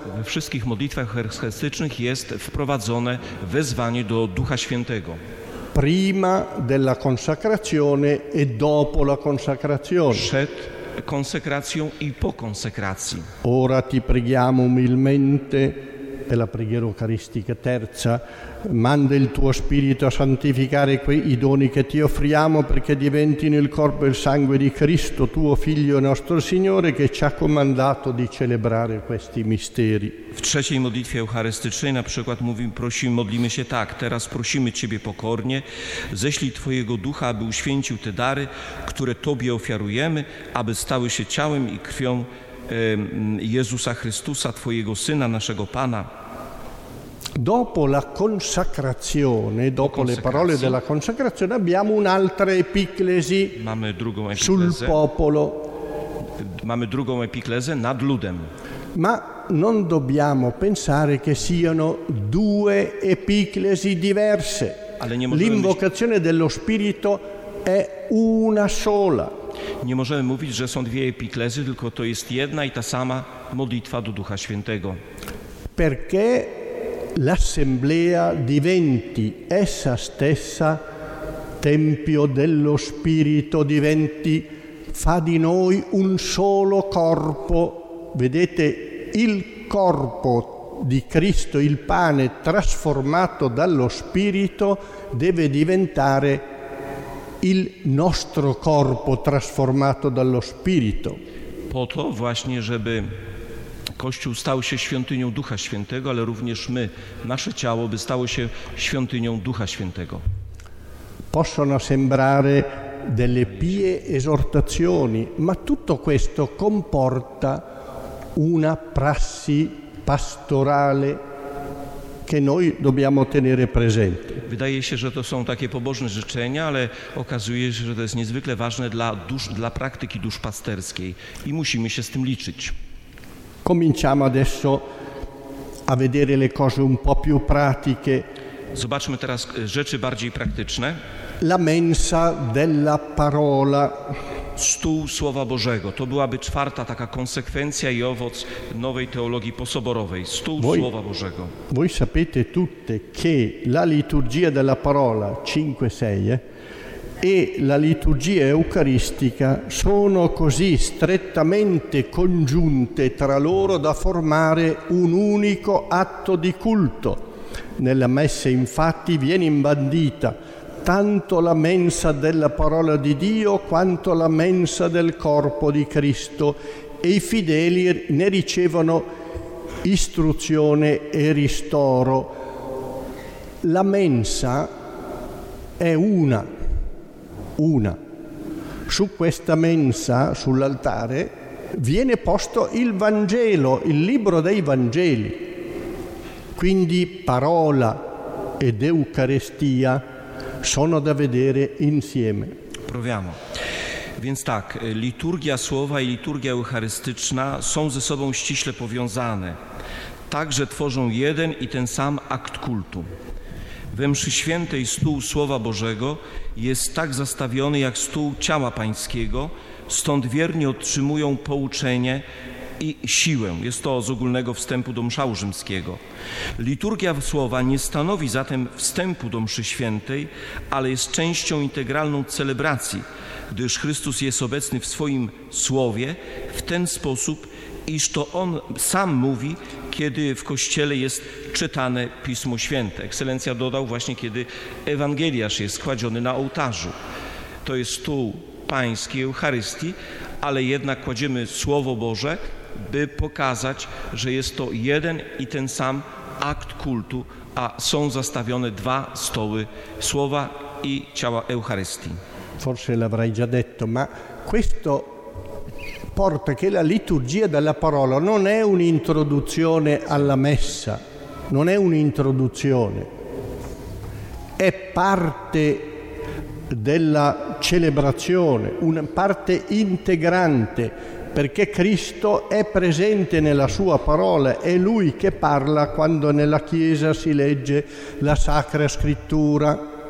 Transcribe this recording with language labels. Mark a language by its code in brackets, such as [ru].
[pl] We wszystkich modlitwach eucharystycznych jest wprowadzone wezwanie do Ducha Świętego. [it] Prima della consacrazione e dopo la consacrazione. [pl] Przed konsekracją i po konsekracji. [it] Ora ti preghiamo umilmente. È la preghiera eucaristica terza. Manda il tuo spirito a santificare quei doni che ti offriamo perché diventino il corpo e il sangue di Cristo, tuo figlio nostro Signore, che ci ha comandato di celebrare questi misteri. [pl] W trzeciej modlitwie eucharystycznej na przykład modlimy się tak: teraz prosimy Ciebie pokornie, ześlij Twojego Ducha, aby uświęcił te dary, które Tobie ofiarujemy, aby stały się ciałem i krwią Jezusa Chrystusa, Twojego Syna, naszego Pana. [it] Dopo la consacrazione, dopo le parole della consacrazione, abbiamo un'altra epiklesi. [pl] Mamy drugą epiklezę. [it] Sul popolo. [pl] Mamy drugą epiklezę nad ludem. [it] Ma non dobbiamo pensare che siano due epiklesi diverse. [pl] Ale nie możemy [it] L'invocazione dello Spirito è una sola. [pl] Nie możemy mówić, że są dwie epiklezy, tylko to jest jedna i ta sama modlitwa do Ducha Świętego. [it] Perché l'assemblea diventi essa stessa tempio dello Spirito, diventi fa di noi un solo corpo. Vedete, il corpo di Cristo, il pane trasformato dallo Spirito, deve diventare il nostro corpo trasformato dallo Spirito. [pl] Po to właśnie, żeby Kościół stał się świątynią Ducha Świętego, ale również my, nasze ciało, by stało się świątynią Ducha Świętego. [it] Possono sembrare delle pie esortazioni, ma tutto questo comporta una prassi pastorale che noi dobbiamo tenere presente. [pl] Wydaje się, że to są takie pobożne życzenia, ale okazuje się, że to jest niezwykle ważne dla praktyki duszpasterskiej i musimy się z tym liczyć. [it] Cominciamo adesso a vedere le cose un po' più pratiche. [pl] Zobaczmy teraz rzeczy bardziej praktyczne. [it] La mensa della parola. [pl] Stół Słowa Bożego. To byłaby czwarta taka konsekwencja i owoc nowej teologii posoborowej. Stół Słowa Bożego. [it] Voi sapete tutte che la liturgia della parola 5-6 e la liturgia eucaristica sono così strettamente congiunte tra loro da formare un unico atto di culto. Nella messa infatti viene imbandita tanto la mensa della parola di Dio quanto la mensa del corpo di Cristo, e i fedeli ne ricevono istruzione e ristoro. La mensa è una. Su questa mensa, sull'altare, viene posto il Vangelo, il libro dei Vangeli. Quindi parola ed eucaristia sono da vedere insieme. Proviamo. [pl] Więc tak, liturgia słowa i liturgia eucharystyczna są ze sobą ściśle powiązane. Także tworzą jeden i ten sam akt kultu. We mszy świętej stół Słowa Bożego jest tak zastawiony jak stół ciała Pańskiego, stąd wierni otrzymują pouczenie i siłę. Jest to z ogólnego wstępu do mszału rzymskiego. Liturgia słowa nie stanowi zatem wstępu do mszy świętej, ale jest częścią integralną celebracji, gdyż Chrystus jest obecny w swoim słowie w ten sposób, iż to On sam mówi, kiedy w Kościele jest czytane Pismo Święte. Ekscelencja dodał właśnie, kiedy Ewangeliarz jest kładziony na ołtarzu. To jest stół Pański Eucharystii, ale jednak kładziemy Słowo Boże, by pokazać, że jest to jeden i ten sam akt kultu, a są zastawione dwa stoły Słowa i ciała Eucharystii. [it] Forse l'avrai già detto, ma questo porta che la liturgia della parola non è un'introduzione alla messa, non è un'introduzione, è parte della celebrazione, una parte integrante, perché Cristo è presente nella sua parola, è Lui che parla quando nella Chiesa si legge la Sacra Scrittura.